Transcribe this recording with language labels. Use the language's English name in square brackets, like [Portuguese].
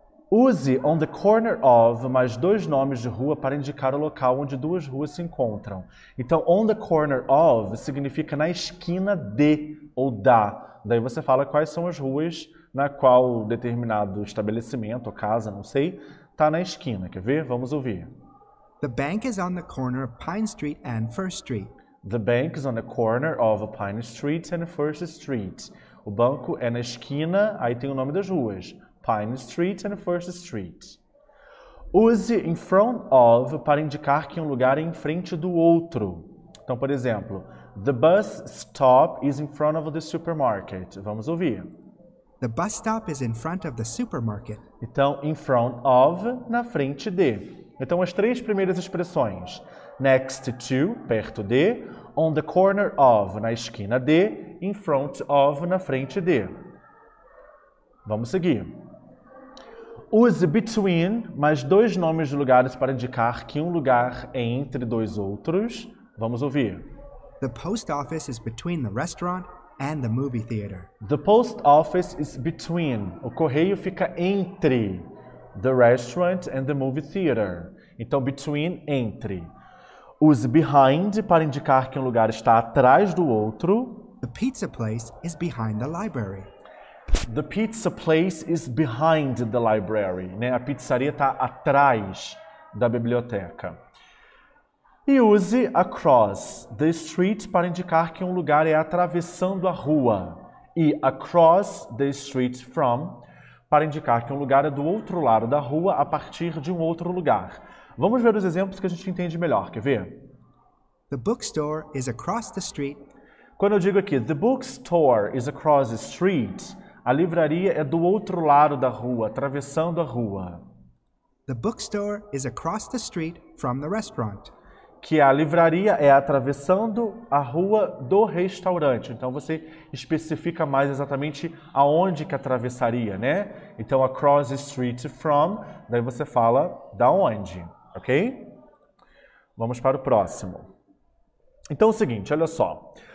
[Portuguese] Use [English] on the corner of [Portuguese] mais 2 nomes de rua para indicar o local onde 2 ruas se encontram. Então, [English] on the corner of [Portuguese] significa na esquina de ou da. Daí você fala quais são as ruas na qual determinado estabelecimento, casa, não sei, tá na esquina. Quer ver? Vamos ouvir. [English] The bank is on the corner of Pine Street and First Street. The bank is on the corner of Pine Street and First Street. [Portuguese] O banco é na esquina, aí tem o nome das ruas. Pine Street and First Street. [English] Use in front of [Portuguese] para indicar que um lugar é em frente do outro. Então, por exemplo, [English] the bus stop is in front of the supermarket. [Portuguese] Vamos ouvir. [English] The bus stop is in front of the supermarket. [Portuguese] Então, [English] in front of, [Portuguese] na frente de. Então, as 3 primeiras expressões. [English] Next to, [Portuguese] perto de. [English] On the corner of, [Portuguese] na esquina de. [English] In front of, [Portuguese] na frente de. Vamos seguir. [English] Use between, [Portuguese] mais 2 nomes de lugares para indicar que um lugar é entre 2 outros. Vamos ouvir. [English] The post office is between the restaurant and the movie theater. The post office is between. [Portuguese] O correio fica entre [English] the restaurant and the movie theater. [Portuguese] Então, between, entre. [English] Use behind [Portuguese] para indicar que um lugar está atrás do outro. [English] The pizza place is behind the library. The pizza place is behind the library, né? [Portuguese] A pizzaria está atrás da biblioteca. E use [English] across the street [Portuguese] para indicar que um lugar é atravessando a rua. E [English] across the street from [Portuguese] para indicar que um lugar é do outro lado da rua a partir de um outro lugar. Vamos ver os exemplos que a gente entende melhor. Quer ver? [English] The bookstore is across the street. [Portuguese] Quando eu digo aqui, [English] the bookstore is across the street, [Portuguese] a livraria é do outro lado da rua, atravessando a rua. [English] The bookstore is across the street from the restaurant. [Portuguese] Que a livraria é atravessando a rua do restaurante. Então você especifica mais exatamente aonde que atravessaria, né? Então [English] across the street from, [Portuguese] daí você fala da onde, ok? Vamos para o próximo. Então é o seguinte, olha só.